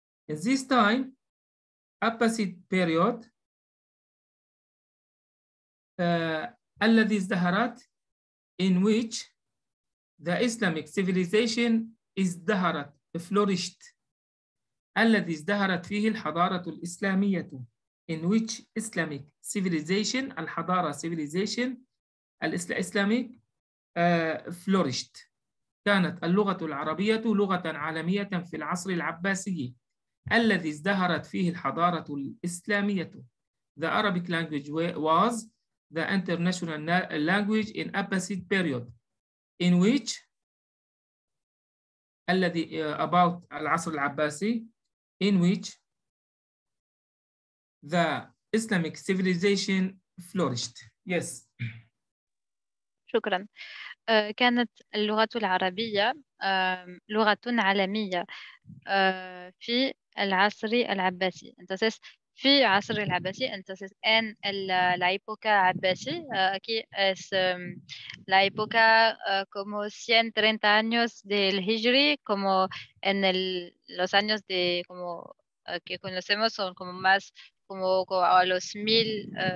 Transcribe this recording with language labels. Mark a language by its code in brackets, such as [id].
[en] In this time, Abbasid period, [ar] الذي ازدهرت, [en] in which the Islamic civilization [ar] ازدهرت, [en] flourished. [ar] الذي ازدهرت فيه الحضارة الإسلامية. [en] In which Islamic civilization, [ar] الحضارة [en] civilization, Islamic flourished. [ar] كانت اللغة العربية لغة عالمية في العصر العباسي الذي ازدهرت فيه الحضارة الإسلامية. [en] The Arabic language was the international language in Abbasid period. In which, الذي about [ar] العصر العباسي, [en] in which, the Islamic civilization flourished. Yes. [ar] شكرا. كانت اللغة العربية لغة عالمية في العصر العباسي. [es] Entonces, [ar] في عصر العباسي. [es] Entonces, en la época عباسي. Aquí es la época como 130 años del Hijri, como en el, los años de como que conocemos son como más como a los mil